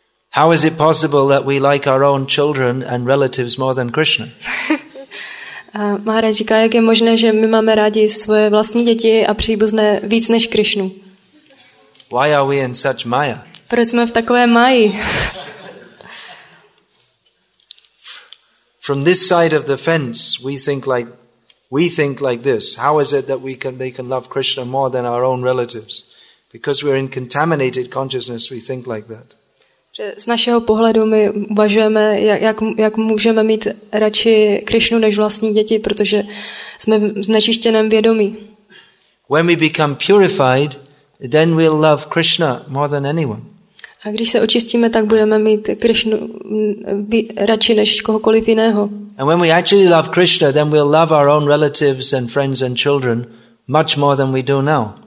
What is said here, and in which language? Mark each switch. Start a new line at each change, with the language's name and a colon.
English: How is it possible that we like our own children and relatives more than Krishna?
Czech: Maharaj říká, jak je možné, že my máme rádi svoje vlastní děti a příbuzné víc než Krishnu?
English: Why are we in such maya?
Czech: Proč jsme v takové máji?
English: From this side of the fence, we think like this. How is it that they can love Krishna more than our own relatives? Because we're in contaminated consciousness, we think like that.
Czech: Z našeho pohledu my uvažujeme, jak můžeme mít radši Krišnu než vlastní děti, protože jsme v znečištěném vědomí.
English: When we become purified, then we'll love Krishna more than anyone.
Czech: A když se očistíme, tak budeme mít Krišnu radši než kohokoliv jiného.
English: And when we actually love Krishna, then we'll love our own relatives and friends and children much more than we do now.